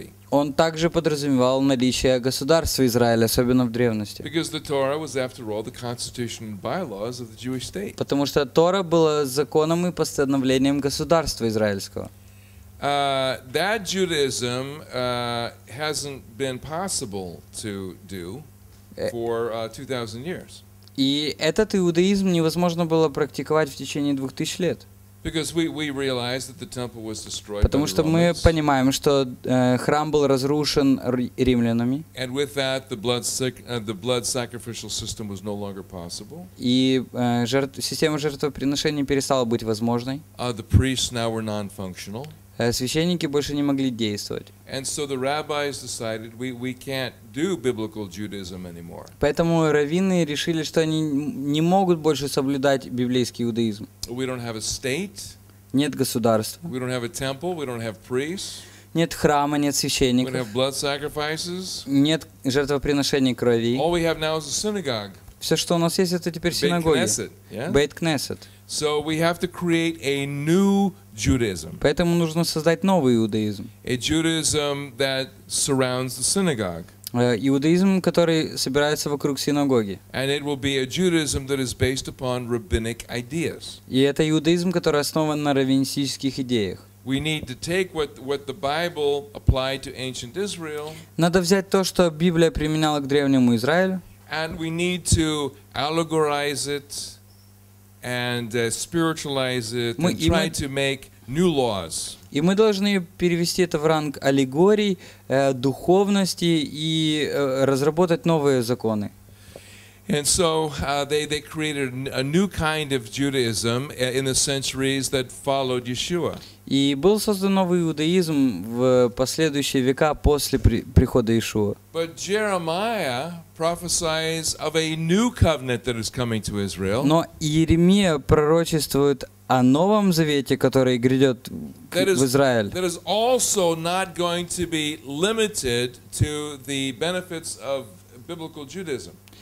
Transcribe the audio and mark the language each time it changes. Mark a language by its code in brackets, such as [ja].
[ru] Он также подразумевал наличие государства Израиля, особенно в древности. [en] Because the Torah was, after all, the constitution and bylaws of the Jewish state. [ru] Потому что Тора была законом и постановлением государства израильского. [en] That Judaism hasn't been possible to do for 2,000 years. [ru] И этот иудаизм невозможно было практиковать в течение 2000 лет. [en] Because we realize that the temple was destroyed. [ru] Потому что мы понимаем, что храм был разрушен римлянами. [en] And with that, the blood sacrificial system was no longer possible. [ru] И система жертвоприношения перестала быть возможной. [en] The priests now were non-functional. [ru] священники больше не могли действовать. [en] And so the rabbis decided we can't do biblical Judaism anymore. [ru] Поэтому раввины решили, что они не могут больше соблюдать библейский иудаизм. [en] We don't have a state. [ru] Нет государства. [en] We don't have a temple. We don't have priests. [ru] Нет храма, нет священников. [en] We don't have blood sacrifices. [ru] Нет жертвоприношений крови. [en] All we have now is a synagogue. [ru] Все, что у нас есть, это теперь синагоги. [he] Бейт Кнессет. [en] So we have to create a new Judaism. [ru] Поэтому нужно создать новый иудаизм. [en] A Judaism that surrounds the synagogue. [ru] Иудаизм, который собирается вокруг синагоги. [en] And it will be a Judaism that is based upon rabbinic ideas. [ru] И это иудаизм, который основан на раввинистических идеях. [en] We need to take what the Bible applied to ancient Israel. [ru] Надо взять то, что Библия применяла к древнему Израилю. [en] And we need to allegorize it and spiritualize it and try to make new laws. [ru] И мы должны перевести это в ранг аллегорий, духовности и разработать новые законы. [en] And so they created a new kind of Judaism in the centuries that followed Yeshua. [ru] И был создан новый иудаизм в последующие века после прихода Иешуа. [en] But Jeremiah prophesies of a new covenant that is coming to Israel. [ru] Но Иеремия пророчествует о новом завете, который грядет в Израиль. [en] That is also not going to be limited to the benefits of biblical Judaism.